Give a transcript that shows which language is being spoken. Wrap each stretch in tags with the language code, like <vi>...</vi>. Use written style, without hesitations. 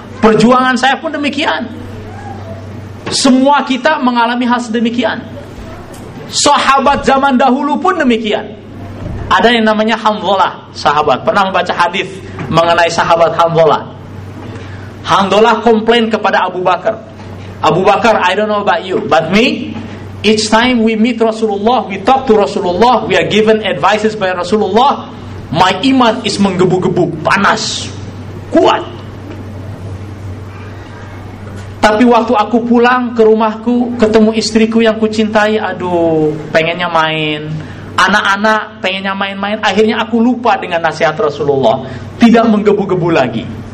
<id>Perjuangan saya pun demikian. Semua kita mengalami hal sedemikian. Sahabat zaman dahulu pun demikian. Ada yang namanya Hamzalah sahabat. Pernah baca hadis mengenai sahabat Hamzalah. Hamzalah komplain kepada Abu Bakar.</id> <en>Abu Bakar, I don't know about you, but me, each time we meet Rasulullah, we talk to Rasulullah, we are given advices by Rasulullah, my iman is</en> <id>menggebu-gebu, panas, kuat. Tapi waktu aku pulang ke rumahku, ketemu istriku yang kucintai, aduh, pengennya main. Anak-anak pengennya main-main. Akhirnya aku lupa dengan nasihat Rasulullah, tidak menggebu-gebu lagi.</id>